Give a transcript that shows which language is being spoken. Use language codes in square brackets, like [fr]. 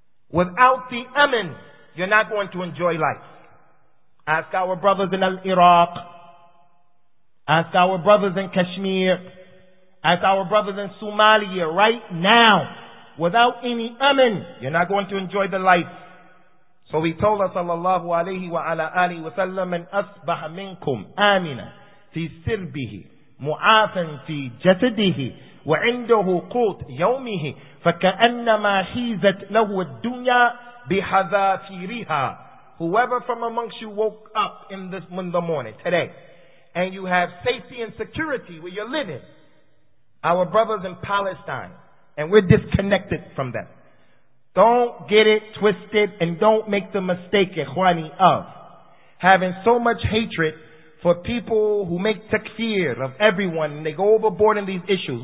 [en] Without the amin, you're not going to enjoy life. Ask our brothers in al-Iraq. Ask our brothers in Kashmir. Ask our brothers in Somalia right now. Without any amin, you're not going to enjoy the life. So he told us, [ar] sallallahu alayhi wa ala alihi wa sallam, من أصبح منكم آمنا في سربه معافا في جسده وعنده قوت يومه فكأنما حيزت له الدنيا بحذافيرها. [en] Whoever from amongst you woke up in the morning, today, and you have safety and security where you're living, our brothers in Palestine, and we're disconnected from them. Don't get it twisted and don't make the mistake, ikhwani, of having so much hatred for people who make takfir of everyone and they go overboard in these issues.